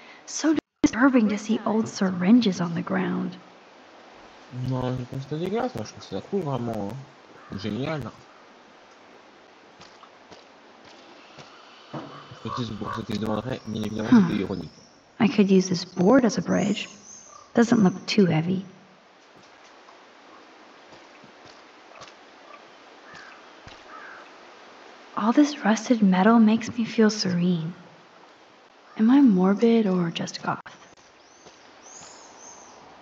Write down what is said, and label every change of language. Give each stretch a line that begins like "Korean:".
English: So disturbing to see old syringes on the ground.
French: Non, je pense que c'est dégueulasse. Moi, je trouve que ça trouve vraiment génial.
English: I could use this board as a bridge. Doesn't look too heavy. All this rusted metal makes me feel serene. Am I morbid or just goth?